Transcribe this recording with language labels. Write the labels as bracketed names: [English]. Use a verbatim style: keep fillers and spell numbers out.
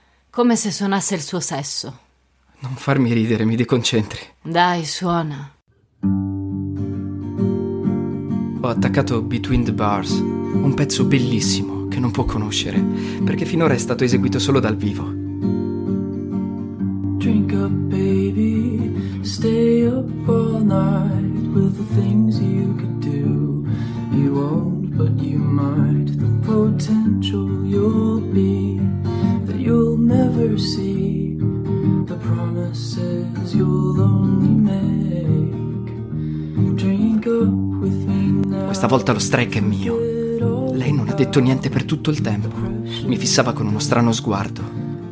[Italian] Come se suonasse il suo sesso. Non farmi ridere, mi deconcentri. Dai, suona. Ho attaccato Between the Bars, un pezzo bellissimo che non può conoscere, perché finora è stato eseguito solo dal vivo. [English] Drink up, baby, stay up all night with the things you could do. You won't, but you might. The potential you'll be that you'll never see. The promises you'll only make. Drink up with me now. [Italian] Questa volta lo strike è mio. Lei non ha detto niente per tutto il tempo. Mi fissava con uno strano sguardo.